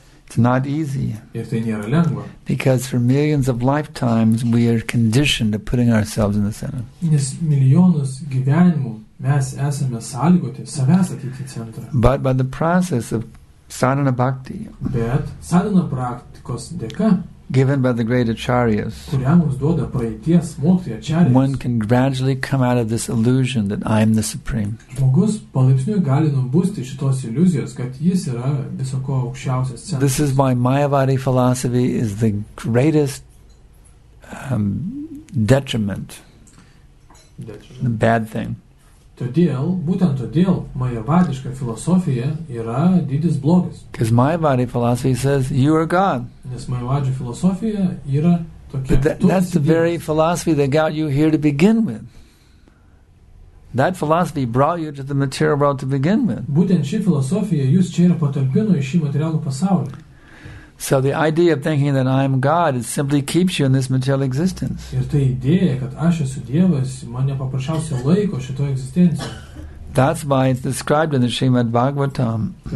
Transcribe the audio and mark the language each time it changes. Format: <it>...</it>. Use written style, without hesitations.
<en>It's not easy.</en> <lt>Ir tai nėra lengva.</lt> <en>Because for millions of lifetimes we are conditioned to putting ourselves in the center.</en> <lt>Nes milijonus gyvenimų mes esame sąlygoti savęs atitikti centrą.</lt> <en>But by the process of sadhana bhakti.</en> <lt>Bet sadhana praktikos dėka.</lt> <en>Given by the great acharyas.</en> <lt>Kurią mums duoda praeities mokytojai acharyas.</lt> <en>One can gradually come out of this illusion that I am the supreme.</en> <lt>Žmogus palaipsniui gali nubusti šitos iliuzijos, kad jis yra viso ko aukščiausias centras.</lt> <en>This is why Mayavadi philosophy is the greatest detriment. the bad thing.</en> <lt>Todėl, būtent todėl, majavadiška filosofija yra didis blogis.</lt> <en>Because Mayavadi philosophy says, you are God.</en> <lt>Nes Mayavadžių filosofija yra tokia.</lt> <en>That, that's the very philosophy that got you here to begin with. That philosophy brought you to the material world to begin with.</en> <lt>Būtent ši filosofija jūs čia ir patalpino į šį materialų pasaulį.</lt> <en>So the idea of thinking that I am God it simply keeps you in this material existence.</en> <lt>Ir ta idėja, kad aš esu Dievas, mane paprasčiausiai laiko šitoje egzistencijoje.</lt> <en>That's why it's described in the Srimad Bhagavatam.</en>